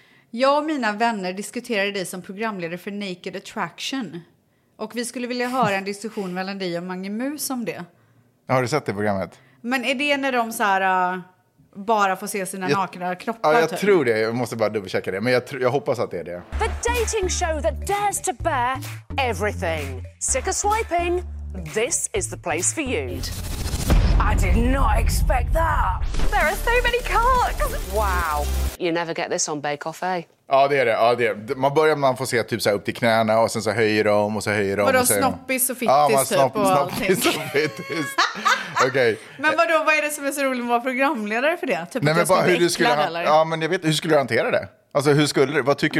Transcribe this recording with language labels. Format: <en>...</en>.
<sv>Jag och mina vänner diskuterade dig som programledare för Naked Attraction. Och vi skulle vilja höra en diskussion mellan dig och Mange Mus om det. Har du sett det programmet? Men är det när de så här... bara få se sina nakna kroppar. Ja, jag tror det. Jag måste bara dubbelchecka det. Men jag hoppas att det är det.</sv> <en>The dating show that dares to bear everything. Sick of swiping? This is the place for you. I did not expect that. There are so many cocks. Wow. You never get this on Bake Off, eh?</en> <sv>Ja, det är det. Ja, det är det. Man börjar med att få se typ så här upp till knäna och sen så höjer de och så höjer de. Vadå, snoppis och fittis? Ja, man snoppis och fittis. Okay. Men vadå, vad är det som är så roligt att vara programledare för det? Typ. Nej, men bara, hur du skulle ja, men jag vet, hur skulle du hantera det? Alltså, hur skulle du? Vad tycker</sv>